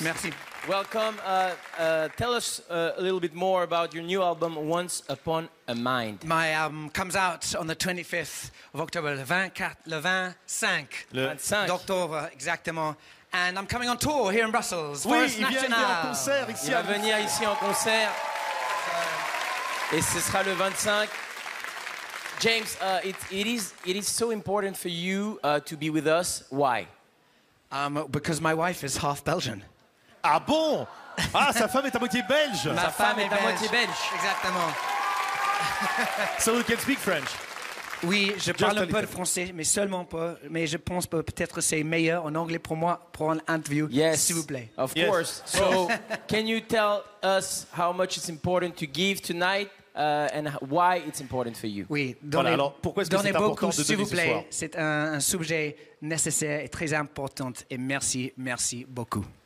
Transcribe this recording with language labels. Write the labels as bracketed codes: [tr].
[fr] Merci. [en] Welcome. Tell us a little bit more about your new album, Once Upon a Mind. My album comes out on the 25th of October, [fr] le 25 d'octobre, exactement. [en] And I'm coming on tour here in Brussels. [fr] Oui, il vient en concert ici. Il va venir ici en concert. Et ce sera le 25. [en] James, it is so important for you to be with us. Why? Because my wife is half Belgian. [fr] Ah bon? Ah, sa femme est à moitié belge. Ma femme est à moitié belge. Exactement. [en] So you can speak French. [fr] Oui, je parle un peu de français, mais seulement peu. Mais je pense que peut-être c'est meilleur en anglais pour moi pour une interview, [en] yes, [fr] s'il vous plaît. [en] Of yes. Course. So, can you tell us how much it's important to give tonight and why it's important for you? [fr] Oui, donnez beaucoup, s'il vous plaît. C'est un sujet nécessaire et très important. Et merci, merci beaucoup.